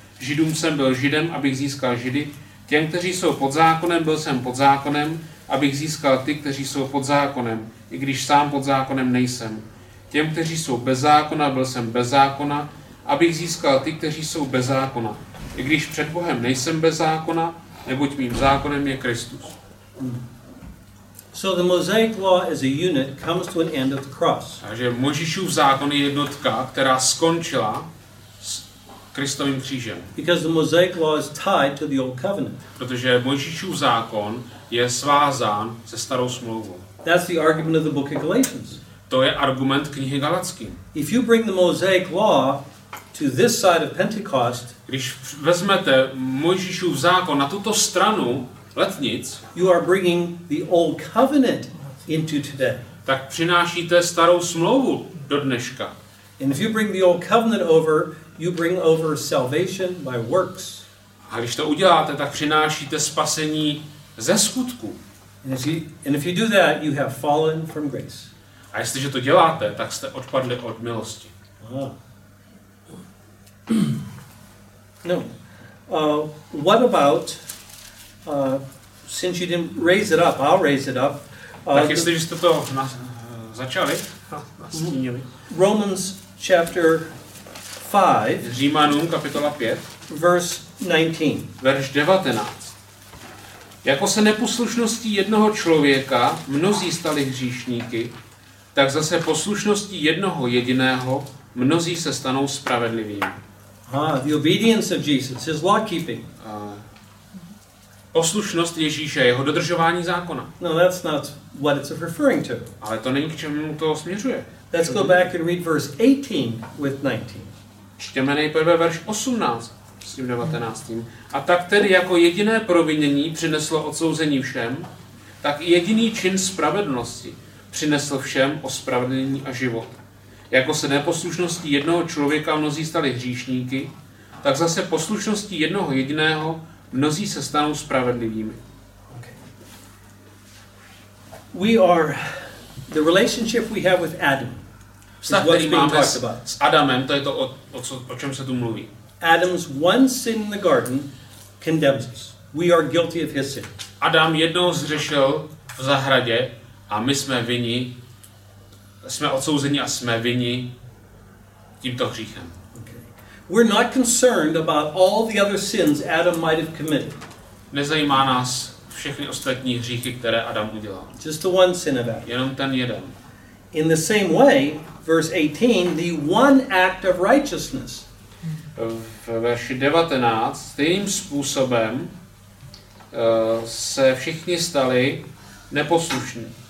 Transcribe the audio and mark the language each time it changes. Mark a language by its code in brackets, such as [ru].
[cs] Židům jsem byl Židem, abych získal Židy. Těm, kteří jsou pod zákonem, byl jsem pod zákonem, abych získal ty, kteří jsou pod zákonem, i když sám pod zákonem nejsem. Těm, kteří jsou bez zákona, byl jsem bez zákona, abych získal ty, kteří jsou bez zákona, i když před Bohem nejsem bez zákona, neboť mým zákonem je Kristus. [en] So the Mosaic law as a unit comes to an end of the cross. [cs] Takže Mojžíšův zákon je jednotka, která skončila Kristovým křížem. [en] Because the Mosaic law is tied to the old covenant. [cs] Protože Mojžíšův zákon je svázán se starou smlouvou. [en] That's the argument of the book of Galatians. [cs] To je argument knihy Galackým. [en] If you bring the Mosaic law to this side of Pentecost, [cs] když vezmete Mojžíšův zákon na tuto stranu letnic, [en] you are bringing the old covenant into today. [cs] Tak přinášíte starou smlouvu do dneška. [en] And if you bring the old covenant over, you bring over salvation by works. [cs] A když to uděláte, tak přinášíte spasení ze skutku. [en] And if you do that, you have fallen from grace. [cs] A jestliže to děláte, tak jste odpadli od milosti. [en] No. What about since you didn't raise it up, I'll raise it up. [cs] Tak jestliže jste to začali, nastínili. [en] Romans chapter 5, [cs] Římanům kapitola 5, verš 19. Jako se neposlušností jednoho člověka mnozí stali hříšníky, tak zase poslušností jednoho jediného mnozí se stanou spravedlivými. [en] The obedience of Jesus, his law keeping. [cs] Poslušnost Ježíše, jeho dodržování zákona. [en] No, that's not what it's referring to. [cs] Ale to není, k čemu to směřuje. [en] Let's go back and read verse 18 with 19. [cs] Čteme nejprve verš 18 s tím 19. A tak tedy jako jediné provinění přineslo odsouzení všem, tak i jediný čin spravedlnosti přinesl všem ospravedlnění a život. Jako se neposlušností jednoho člověka mnozí stali hříšníky, tak zase poslušností jednoho jediného mnozí se stanou spravedlivými. [en] Okay. We are the relationship we have with Adam. [cs] Vztah, který máme s Adamem, to je to, o čem se tu mluví. [en] Adam's one sin in the garden condemns us. We are guilty of his sin. [cs] Adam jednou zřešil v zahradě a my jsme vinni, jsme odsouzeni a jsme vinni tímto hříchem. [en] Okay. We're not concerned about all the other sins Adam might have committed. [cs] Nezajímá nás všechny ostatní hříchy, které Adam udělal. [en] Just the one sin of Adam. [cs] Jenom ten jeden. [en] In the same way, verse 18, the one act of righteousness. [cs] V verši 19, stejným způsobem se všichni stali neposlušní.